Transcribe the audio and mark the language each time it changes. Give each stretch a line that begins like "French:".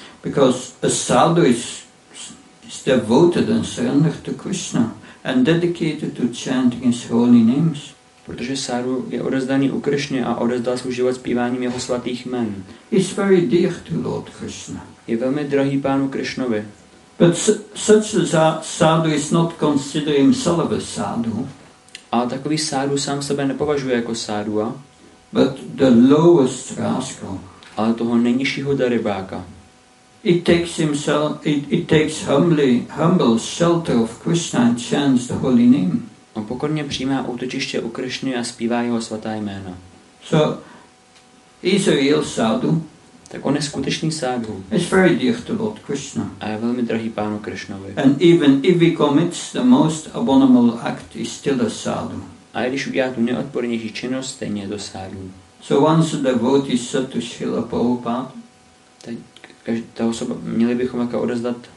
English: Because a sadhu is devoted and surrendered to Krishna and dedicated to chanting his holy names.
Czech: Protože sadhu je odezdaný u Krishny a odezdal svůj život zpíváním jeho svatých jmen.
English: He's very dear to Lord Krishna.
Czech: Je velmi drahý pánu Krishnovi.
English: But such a sadhu is not considered himself a sadhu.
Czech: Ale takový sadhu sám sebe nepovažuje jako sadhua.
English: But the lowest rascal.
Czech: Ale toho nejnižšího darebáka.
English: It takes humble shelter of Krishna and chants the holy name.
Czech: On pokorně přijímá útočiště u Krishny a zpívá jeho svatá jména.
English: So he's a real sadhu.
Czech: Tak on je skutečný sadhu.
English: He's very dear to Lord Krishna.
Czech: A je velmi drahý pánu Krishnovi.
English: And even if he commits the most abominable act, he's still a sadhu.
Czech: A když udělá tu nejodpornější činnost, stejně je to sadhu.
English: So once a devotee said to Srila Prabhupada.
Czech: Ta osoba, měli bychom jako odezdat.